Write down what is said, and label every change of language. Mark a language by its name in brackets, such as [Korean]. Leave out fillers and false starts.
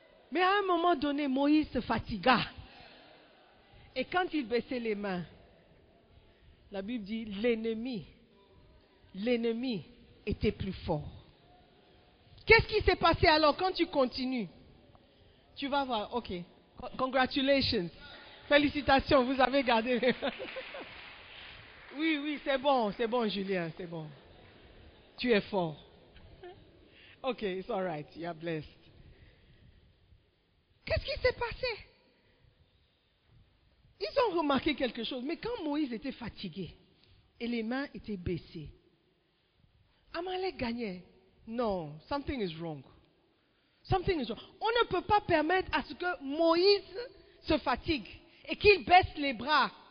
[French] Mais à un moment donné, Moïse se fatigua. Et quand il baissait les mains, la Bible dit, l'ennemi était plus fort. Qu'est-ce qui s'est passé alors quand tu continues? Tu vas voir, ok, [English] congratulations, [French] félicitations, vous avez gardé. Oui, oui, c'est bon Julien, c'est bon. Tu es fort. [English] Ok, it's all right, you are blessed. [French] Qu'est-ce qui s'est passé? Ils ont remarqué quelque chose, mais quand Moïse était fatigué et les mains étaient baissées, Amalek gagnait. Non, [English] something is wrong. Something is wrong. [French] On ne peut pas permettre à ce que Moïse se fatigue et qu'il baisse les bras.